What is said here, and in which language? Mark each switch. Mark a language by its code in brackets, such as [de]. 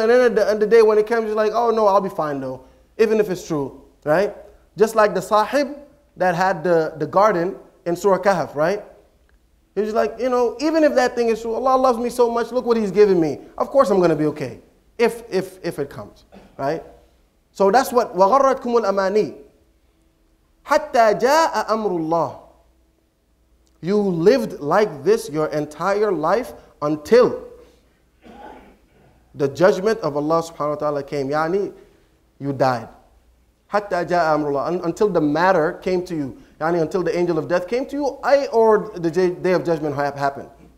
[en] And then at the end of the day, when it came, you're like, oh no, I'll be fine though. Even if it's true. Right? Just like the sahib that had the garden in Surah Kahf, right? He was like, you know, even if that thing is true, Allah loves me so much, look what he's giving me. Of course I'm going to be okay, if it comes, right? So that's what, [ar] وَغَرَّتْكُمُ الْأَمَانِي حَتَّى جَاءَ أَمْرُ اللَّهِ. [en] You lived like this your entire life until the judgment of Allah subhanahu wa ta'ala came. [ar] Yani, [en] you died. [ar] حَتَّى جَاءَ أَمْرُ اللَّهِ. [en] Until the matter came to you. Yani, until the angel of death came to you, or the day of judgment happened.